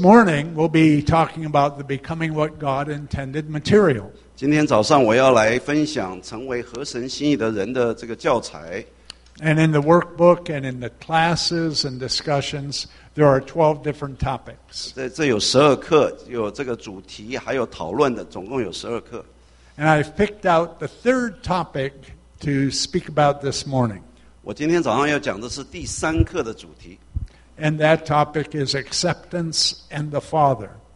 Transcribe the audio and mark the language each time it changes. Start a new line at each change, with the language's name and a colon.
English: morning we'll be talking about the becoming what God intended material.
Chinese: 今天早上我要来分享成为合神心意的人的这个教材。And
English: in the workbook and in the classes and discussions, there are 12 different topics.
Chinese: 这有12课，有这个主题，还有讨论的，总共有12课。
English: And I've picked out the third topic to speak about this morning.
Chinese: 我今天早上要讲的是第三课的主题。
English: And that topic is acceptance and the Father.